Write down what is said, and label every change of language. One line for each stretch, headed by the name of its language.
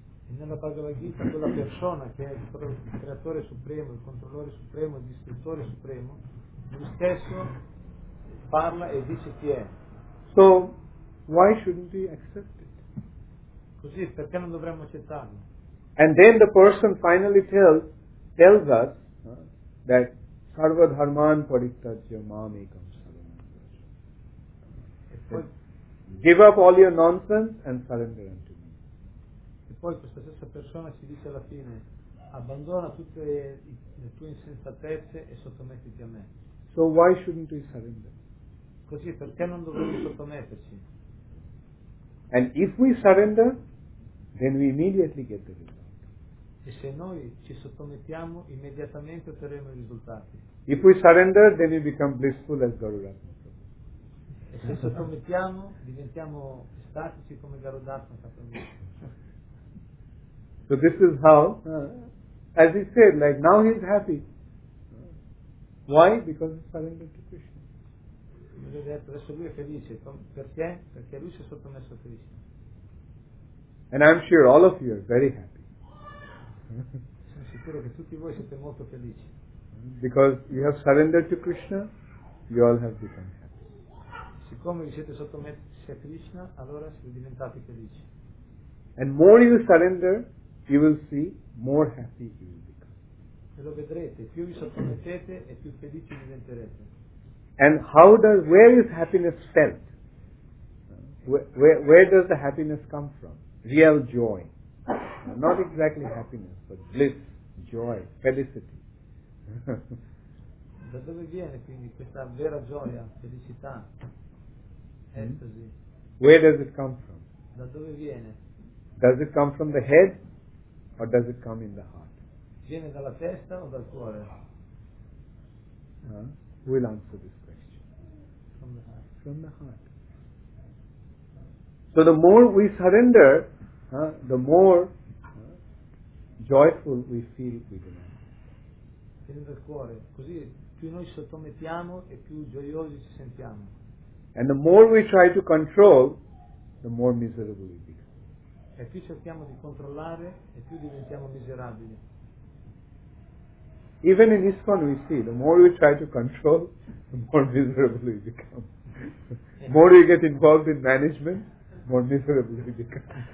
Italian: E nella Bhagavad Gita, quella persona che è il creatore supremo, il controllore supremo, il distruttore supremo, lui stesso parla e dice chi è.
English: So, why shouldn't we accept it?
Italian: Così, perché non dovremmo accettarlo?
English: And then the person finally tells us that
Sanskrit: sarva dharman parityajya mam ekam saranam brajami.
English: Give up all your nonsense and surrender unto me.
Italian: E poi questa stessa persona ci dice alla fine, abbandona tutte le tue insensatezze e sottomettiti a me.
English: So why shouldn't we surrender?
Italian: Così, perché non dovremmo sottometterci?
English: And if we surrender, then we immediately get the result.
Italian: E se noi ci sottomettiamo, immediatamente otterremo i risultati.
English: If we surrender, then we become blissful as Garudātma Prabhu.
Italian: E se sottomettiamo, diventiamo estatici come Garudātma Prabhu.
English: So this is how, as he said, like now he is happy. Why? Because he surrendered to Krishna.
Italian: Adesso lui è felice. Perché? Perché lui si è sottomesso a Krishna.
English: And I'm sure all of you are very happy.
Italian: Sono sicuro che tutti voi siete molto felici.
English: Because you have surrendered to Krishna, you all have become happy.
Italian: Siccome vi siete sottomessi a Krishna, allora siete diventati felici.
English: And more you surrender, you will see more happy you will become.
Italian: E lo vedrete, più vi sottomettete e più felici diventerete.
English: And how does, where is happiness felt? Where does the happiness come from? Real joy. Not exactly happiness, but bliss, joy, felicity.
Italian: Da dove viene quindi questa vera gioia, felicità, estasi?
English: Where does it come from?
Italian: Da dove viene?
English: Does it come from the head or does it come in the heart?
Italian: Viene dalla testa o dal cuore?
English: Who will answer this question? From the heart. From the heart. So the more we surrender, the more joyful we feel within us.
Italian: Viene dal cuore. Così più noi sottomettiamo e più gioiosi ci sentiamo.
English: And the more we try to control, the more miserable we become.
Italian: E più cerchiamo di controllare, e più diventiamo miserabili.
English: Even in ISKCON we see, the more we try to control, the more miserable we become. The more you get involved in management, the more miserable we become.